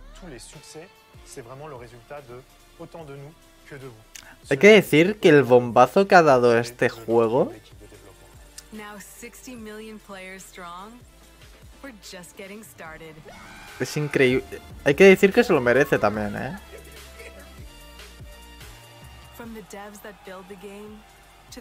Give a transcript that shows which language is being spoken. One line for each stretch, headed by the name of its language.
French: Les succès, c'est vraiment le résultat de autant de nous que de vous.
Spanish: Hay que decir que el bombazo que ha dado este juego.
English: Now 60 million players strong. We're just getting started.
Spanish: Es increíble. Hay que decir que se lo merece también, ¿eh?
English: From the devs that build the game to